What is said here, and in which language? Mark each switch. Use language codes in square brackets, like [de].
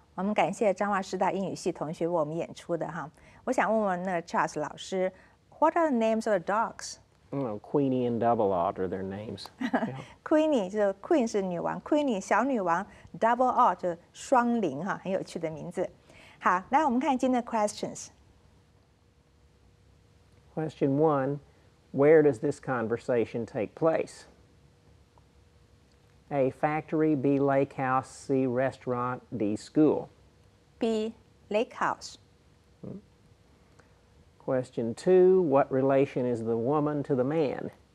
[zh] 我们感谢彰化师大英语系同学为我们演出的哈。我想问问那个 Charles 老师 [en] ，What are the names of the dogs? Queenie and Double Ought are their names. Yeah. [zh] Queenie 就 Queen 是女王 ，Queenie 小女王 ，Double Ought 就双灵哈，很有趣的名字。好，来我们看今天的 questions. [en] Question one: Where does this conversation take place? A factory, B lake house, C restaurant, D school. B lake house. Question two, what relation is the woman to the man?